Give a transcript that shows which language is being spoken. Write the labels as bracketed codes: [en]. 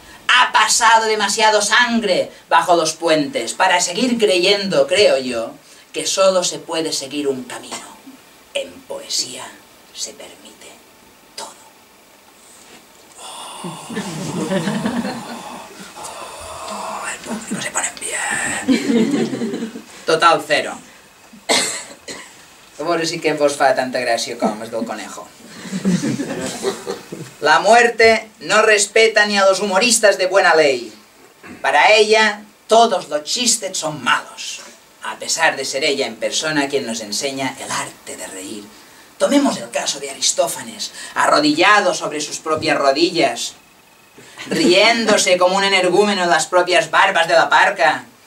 [es] Ha pasado demasiado sangre bajo los puentes para seguir creyendo, creo yo, que solo se puede seguir un camino. En poesía se permite todo. El público se pone en pie. Total cero. [ca] A veure si que vos fa tanta gràcia com es [es] del conejo. La muerte no respeta ni a los humoristas de buena ley. Para ella, todos los chistes son malos. A pesar de ser ella en persona quien nos enseña el arte de reír. Tomemos el caso de Aristófanes, arrodillado sobre sus propias rodillas, riéndose como un energúmeno en las propias barbas de la parca.